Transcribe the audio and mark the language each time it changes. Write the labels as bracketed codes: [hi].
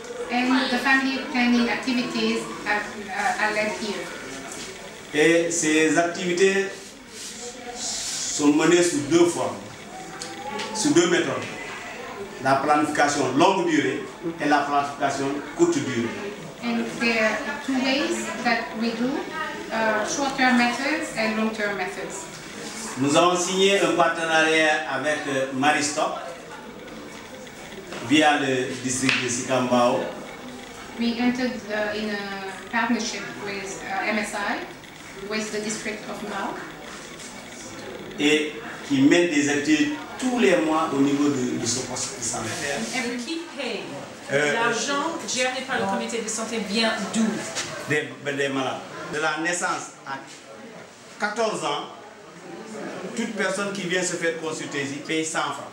[en] And the family planning activities are led here. [fr] Et ces activités sont menées sous deux formes, sous deux méthodes. La planification longue durée et la planification courte durée. [en] And there are two ways that we do, short-term methods and long-term methods. [fr] Nous avons signé un partenariat avec Maristop via le district de Sikambao. [en] We entered in a partnership with MSI, with the district of Mao. [fr] Et qui mène des activités tous les mois au niveau de ce poste de santé. [en] And [fr] qui paye l'argent géré par le comité de santé vient d'où? Des malades. De la naissance à 14 ans, toute personne qui vient se faire consulter ici paye 100 francs.